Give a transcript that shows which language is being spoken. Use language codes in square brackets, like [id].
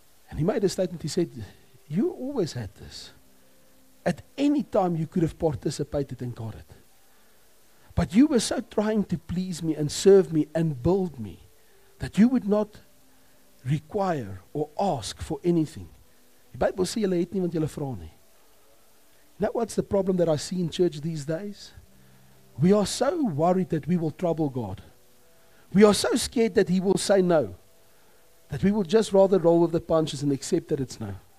[en] And he made a statement, he said, you always had this. At any time you could have participated and got it. But you were so trying to please me and serve me and build me that you would not require or ask for anything. The Bible says, [af] "Jy het nie want jy vra nie." [en] Now what's the problem that I see in church these days? We are so worried that we will trouble God. We are so scared that he will say no, that we will just rather roll with the punches and accept that it's no.